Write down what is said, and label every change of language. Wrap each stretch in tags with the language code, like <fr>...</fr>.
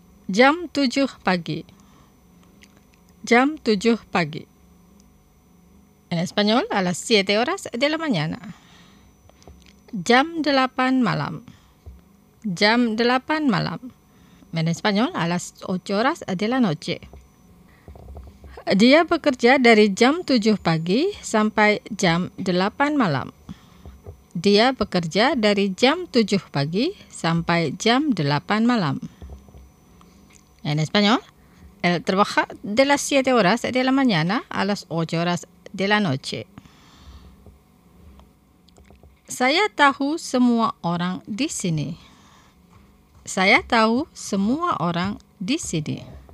<id>Jam 7 pagi. Jam 7 pagi.</id> <es>En español, a las 7 horas de la mañana.</es> <id>Jam 8 malam. Jam 8 malam.</id> <es>En español, a las 8 horas de la noche.</es> <id>Dia bekerja dari jam 7 pagi sampai jam 8 malam. Dia bekerja dari jam 7 pagi sampai jam 8 malam.</id> <es>En español, él trabaja de las 7 horas de la mañana a las 8 horas de la noche.</es> <id>Saya tahu semua orang di sini. Saya tahu semua orang di sini.</id>